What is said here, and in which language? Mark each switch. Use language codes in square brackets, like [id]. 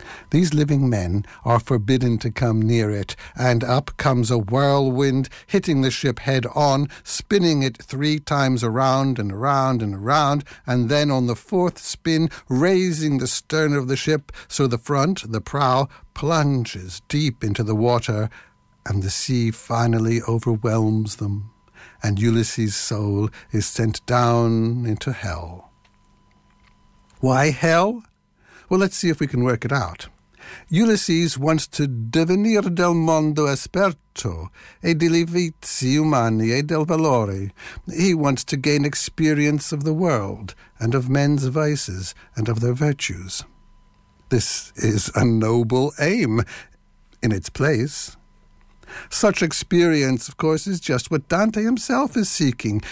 [en] These living men are forbidden to come near it, and up comes a whirlwind, hitting the ship head on, spinning it 3 times around and around and around, and then on the 4th spin, raising the stern of the ship so the front, the prow, plunges deep into the water, and the sea finally overwhelms them, and Ulysses' soul is sent down into hell. Why hell? Well, let's see if we can work it out. Ulysses wants to [it] divenir del mondo esperto e delle vizi umani e del valore. [en] He wants to gain experience of the world and of men's vices and of their virtues. This is a noble aim in its place. Such experience, of course, is just what Dante himself is seeking.